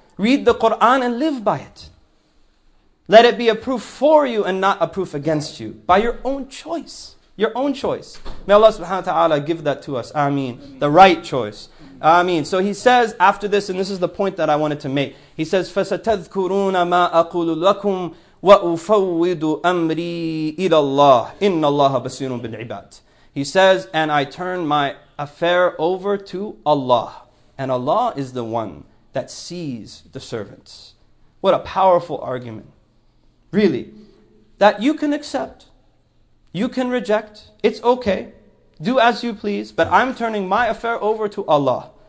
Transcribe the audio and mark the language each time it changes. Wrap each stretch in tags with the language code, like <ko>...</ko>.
<en>Read the Quran and live by it. Let it be a proof for you and not a proof against you. By your own choice. Your own choice. May Allah subhanahu wa ta'ala give that to us. Ameen. The right choice. Ameen. So he says after this, and this is the point that I wanted to make. He says,</en> <ar>فَسَتَذْكُرُونَ مَا أَقُولُ لَكُمْ وَأُفَوِّدُ أَمْرِي إِلَى اللَّهِ إِنَّ اللَّهَ بَصِيرٌ بِالْعِبَادِ.</ar> <en>He says, and I turn my affair over to Allah. And Allah is the one that sees the servants. What a powerful argument. Really, that you can accept, you can reject, it's okay, do as you please, but I'm turning my affair over to Allah.</en>